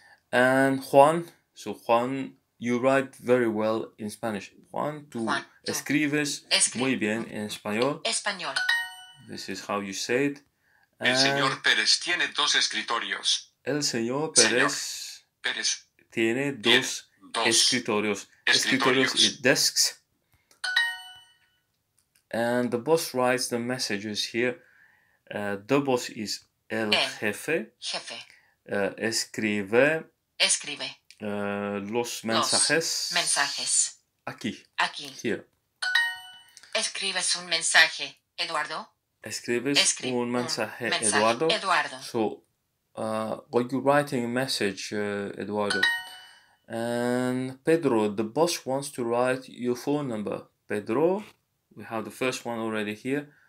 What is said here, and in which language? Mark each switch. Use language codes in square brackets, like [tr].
[en] And Juan, so Juan, you write very well in Spanish. [es] Juan, tú escribes muy bien en español. Español. [en] This is how you say it. [es] And el señor Pérez tiene dos escritorios. El señor Pérez, tiene dos escritorios. Escritorios [en] is desks. And the boss writes the messages here. The boss is el jefe. [es] Jefe. Escribe. Los mensajes. Los mensajes. Aquí. Here. Escribes un mensaje, Eduardo. Escribes un mensaje, Eduardo. Eduardo. [en] So, when you're writing a message, Eduardo, And Pedro, the boss wants to write your phone number. Pedro, we have the first one already here.